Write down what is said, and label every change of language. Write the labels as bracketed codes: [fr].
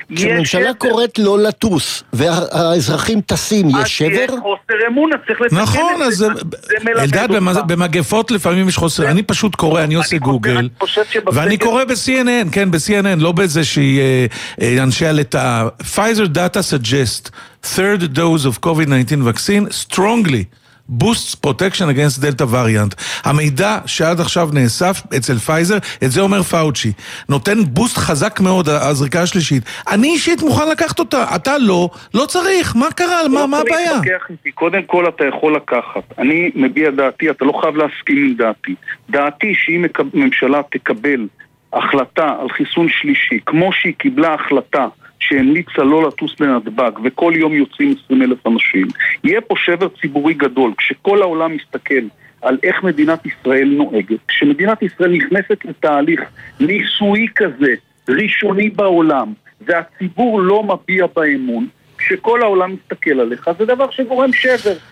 [he] כשממשלה קוראת לא לטוס, והאזרחים טסים, יש שבר? אז יהיה חוסר אמון, אז צריך לתקן את זה. נכון, אז אלדד, במגפות לפעמים יש חוסר, אני פשוט קורא, אני עושה גוגל, ואני קורא ב-CNN, כן, ב-CNN, לא באיזה שהיא אנשי על את ה... [en] Pfizer data suggest third dose of COVID-19 vaccine strongly. Boosts protection against Delta variant. [he] המידע שעד עכשיו נאסף אצל פייזר, את זה אומר פאוצ'י, נותן בוסט חזק מאוד הזריקה השלישית. אני אישית מוכן לקחת אותה, אתה לא, לא צריך. מה קרה? לא מה, מה הבעיה? קודם כל אתה יכול לקחת. אני מביע דעתי, אתה לא חייב להסכים עם דעתי. דעתי שאם ממשלה תקבל החלטה על חיסון שלישי, כמו שהיא קיבלה החלטה שהמליצה לא לטוס לנדבק, וכל יום יוצאים 20,000 אנשים, יהיה פה שבר ציבורי גדול, כשכל העולם מסתכל על איך מדינת ישראל נוהגת, כשמדינת ישראל נכנסת לתהליך ניסוי כזה, ראשוני בעולם, והציבור לא מביע באמון, כשכל העולם מסתכל עליך, זה דבר שגורם שבר.